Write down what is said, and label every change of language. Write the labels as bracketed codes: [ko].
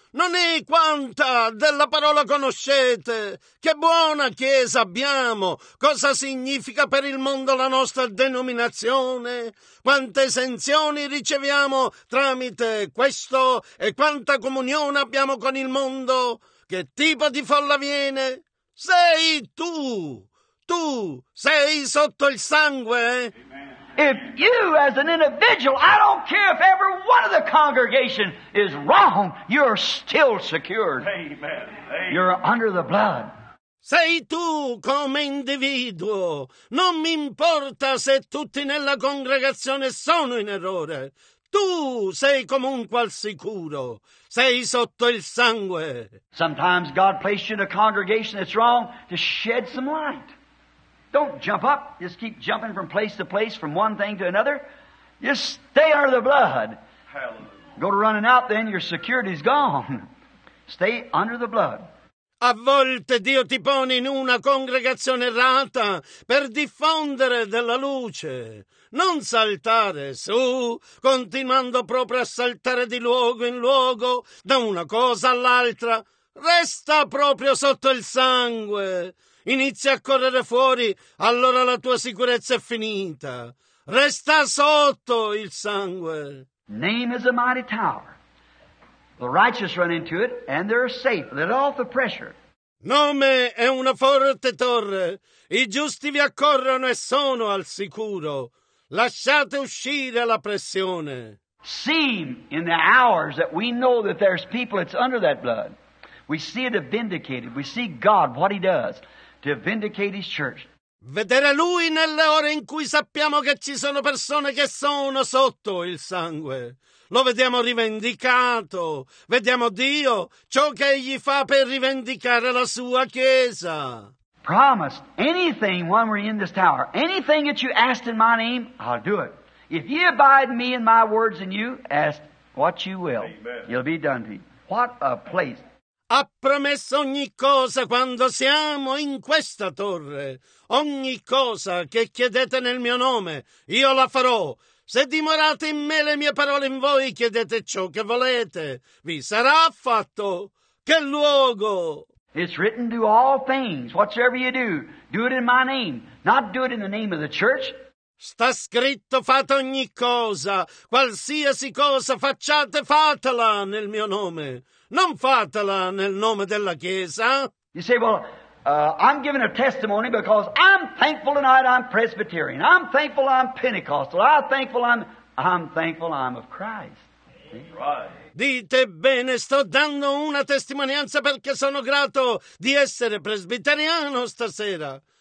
[it] Non è quanta della parola conoscete, che buona chiesa abbiamo, cosa significa per il mondo la nostra denominazione, quante esenzioni riceviamo tramite questo e quanta comunione abbiamo con il mondo, che tipo di folla viene. Sei tu, sei sotto il sangue. [en] If you as an individual, I don't care if every one of the congregation is wrong, you're still secured. Amen. Amen. You're under the blood. [it] Sei tu come individuo. Non mi importa se tutti nella congregazione sono in errore. Tu sei comunque al sicuro. Sei sotto il sangue. [en] Sometimes God placed you in a congregation that's wrong to shed some light. Don't jump up. Just keep jumping from place to place, from one thing to another. Just stay under the blood. Hallelujah. Go to running out, then your security's gone. Stay under the blood. [it] A volte Dio ti pone in una congregazione errata per diffondere della luce. Non saltare su, continuando proprio a saltare di luogo in luogo, da una cosa all'altra. Resta proprio sotto il sangue. Inizia a correre fuori, allora la tua sicurezza è finita. Resta sotto il sangue. [en] Name is a mighty tower. The righteous run into it, and they're safe. Let off the pressure. [it] Nome è una forte torre. I giusti vi accorrono e sono al sicuro. Lasciate uscire la pressione. [en] Seem in the hours that we know that there's people that's under that blood. We see it vindicated. We see God, what he does. To vindicate his church. [it] Vedere lui nelle ore in cui sappiamo che ci sono persone che sono sotto il sangue. Lo vediamo rivendicato. Vediamo Dio, ciò che egli fa per rivendicare la sua chiesa. [en] Promised anything when we're in this tower, anything that you ask in my name, I'll do it. If you abide in me and my words in you, ask what you will. Amen. It'll be done to you. What a place. [it] Ha promesso ogni cosa quando siamo in questa torre. Ogni cosa che chiedete nel mio nome, io la farò. Se dimorate in me le mie parole in voi, chiedete ciò che volete. Vi sarà fatto. Che luogo! [en] It's written, do all things, whatsoever you do, do it in my name, not do it in the name of the church. [it] Sta scritto, fate ogni cosa, qualsiasi cosa facciate, fatela nel mio nome. Non fatela nel nome della Chiesa. [en] You say, well, I'm giving a testimony because I'm thankful tonight I'm Presbyterian. I'm thankful I'm Pentecostal. I'm thankful I'm of Christ. [it] Dite bene, sto dando una testimonianza perché sono grato di essere presbiteriano stasera.